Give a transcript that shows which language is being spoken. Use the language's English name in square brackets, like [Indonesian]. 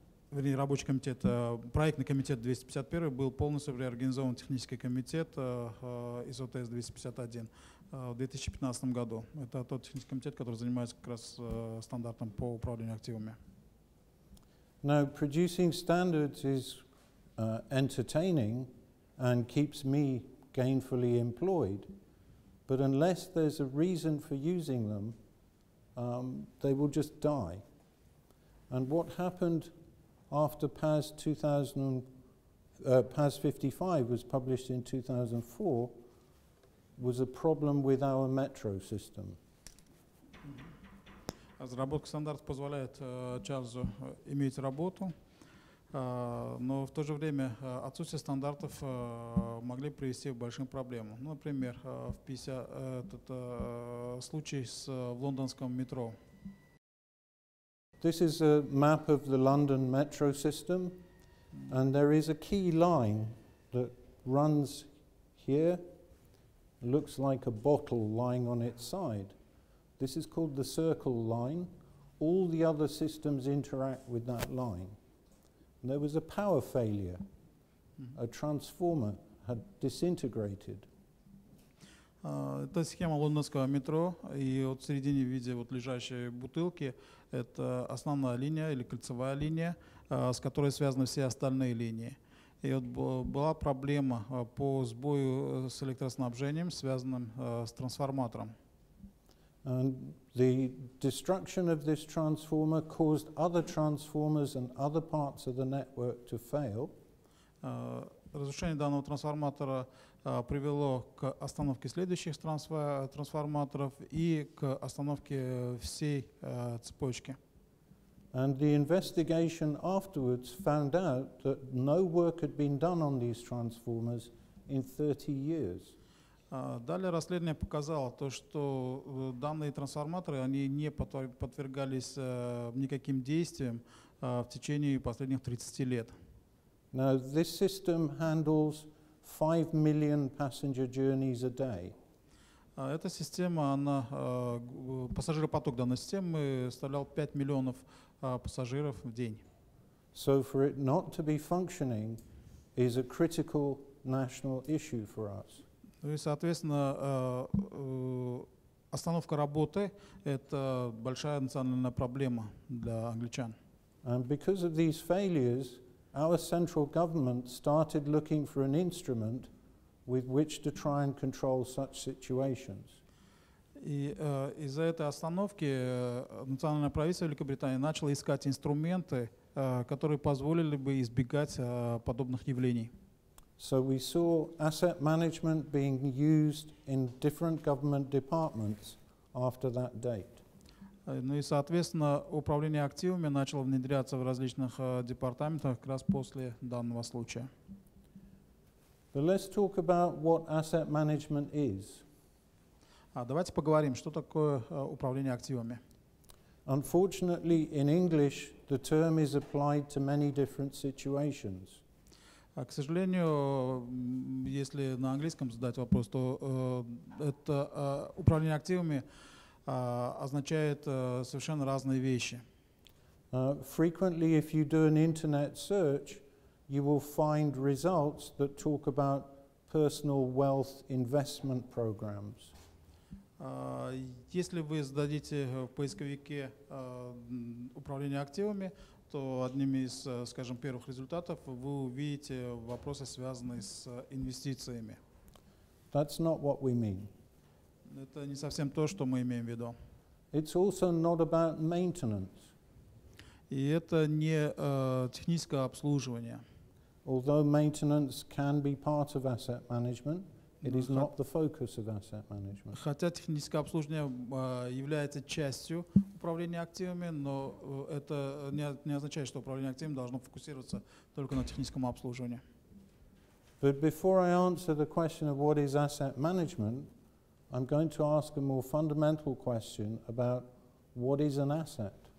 [Russian] Вернее, рабочий комитет, проектный комитет 251 был полностью реорганизован технический комитет ISO-TS 251 в 2015 году. Это тот технический комитет, который занимается как раз стандартом по управлению активами. [English] Now, producing standards is entertaining and keeps me gainfully employed, but unless there's a reason for using them, they will just die. And what happened after PAS 55 was published in 2004 was a problem with our metro system. [Russian] Разработка стандартов позволяет Чарльзу иметь работу, но в то же время отсутствие стандартов могли привести к большим проблемам. Например, в этот случай с лондонском метро. [English] This is a map of the London metro system, and there is a key line that runs here. It looks like a bottle lying on its side. This is called the circle line. All the other systems interact with that line. And there was a power failure. Mm-hmm. A transformer had disintegrated. [Russian] Это схема лондонского метро, и вот в середине в виде вот лежащей бутылки это основная линия или кольцевая линия, с которой связаны все остальные линии. И вот была проблема по сбою с электроснабжением, связанным с трансформатором. [English] And the destruction of this transformer caused other transformers and other parts of the network to fail. [Russian] Разрушение данного трансформатора привело к остановке следующих трансформаторов и к остановке всей цепочки. [English] And the investigation afterwards found out that no work had been done on these transformers in 30 years. [Russian] Далее расследование показало то, что данные трансформаторы они не подвергались никаким действиям в течение последних 30 лет. [English] Now this system handles 5 million passenger journeys a day. [Russian] Эта система, она пассажиропоток данной системы составлял 5 миллионов пассажиров в день. [English] So for it not to be functioning is a critical national issue for us. [Russian] И, соответственно, остановка работы – это большая национальная проблема для англичан. [English] And because of these failures, our central government started looking for an instrument with which to try and control such situations. [Russian] И из-за этой остановки национальное правительство Великобритании начало искать инструменты, которые позволили бы избегать подобных явлений. [English] So we saw asset management being used in different government departments after that date. [Russian] Ну и, соответственно, управление активами начало внедряться в различных департаментах как раз после данного случая. [English] But let's talk about what asset management is. [Russian] Давайте поговорим, что такое управление активами. [English] Unfortunately, in English, the term is applied to many different situations. [Russian] К сожалению, если на английском задать вопрос, то это управление активами означает совершенно разные вещи. [English] Frequently, if you do an internet search, you will find results that talk about personal wealth investment programs. [Russian] Если вы зададите в поисковике управление активами, то одним из, скажем, первых результатов вы увидите вопросы, связанные с инвестициями. [English] That's not what we mean. [Russian] Это не совсем то, что мы имеем в виду. [English] It's also not about maintenance. [Russian] И это не техническое обслуживание. [English] Although maintenance can be part of asset management, it is not the focus of asset management. [Russian] Хотя техническое обслуживание является частью управления активами, но это не означает, что управление активами должно фокусироваться только на техническом обслуживании. [English] But before I answer the question of what is asset management, I'm going to ask a more fundamental question about what is an asset.